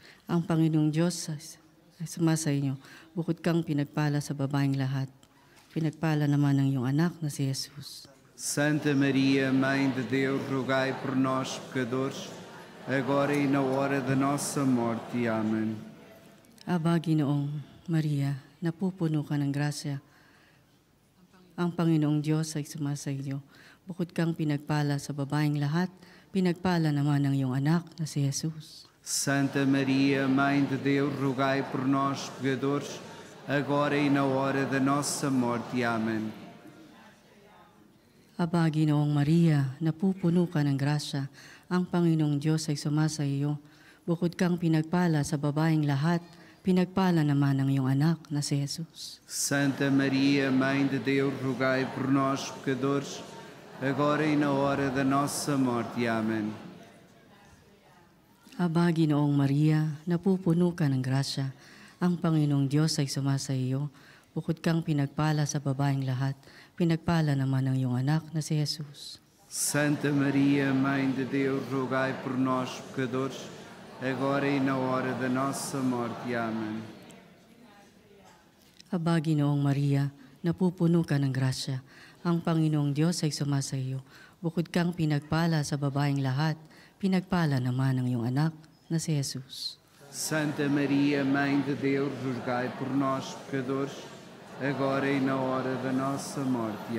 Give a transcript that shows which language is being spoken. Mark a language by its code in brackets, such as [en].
[tl] Ang Panginoong Diyos ay sama sa inyo. Bukod kang pinagpala sa babaeng lahat, pinagpala naman ang iyong anak na si Jesus. [pt] Santa Maria, Mãe de Deus, rogai por nós, pecadores, agora e na hora da nossa morte. Amen. [tl] Aba, Ginoong Maria, napupuno ka ng grasya. Ang Panginoong Diyos ay sama sa inyo. Bukod kang pinagpala sa babaeng lahat, pinagpala naman ang iyong anak na si Jesus. [pt] Santa Maria, Mãe de Deus, rogai por nós, pecadores, agora e na hora da nossa morte. Amen. [tl] Aba, Ginoong Maria, napupuno ka ng grasya. Ang Panginoong Diyos ay sama sa iyo. Bukod kang pinagpala sa babaeng lahat, pinagpala naman ang iyong anak na si Jesus. [pt] Santa Maria, Mãe de Deus, rogai por nós, pecadores, agora e na hora da nossa morte. Amen. [tl] Aba, Ginoong Maria, napupuno ka ng grasya. Ang Panginoong Diyos ay sama sa iyo. Bukod kang pinagpala sa babaeng lahat, pinagpala naman ang iyong anak na si Jesus. [pt] Santa Maria, Mãe de Deus, rogai por nós, pecadores, agora e na hora da nossa morte. Amen. [tl] Aba, Ginoong Maria, napupuno ka ng grasya. Ang Panginoong Diyos ay sama sa iyo. Bukod kang pinagpala sa babaeng lahat, pinagpala naman ang iyong anak na si Jesus. [pt] Santa Maria, Mãe de Deus, rogai por nós, pecadores, agora e na hora da nossa morte.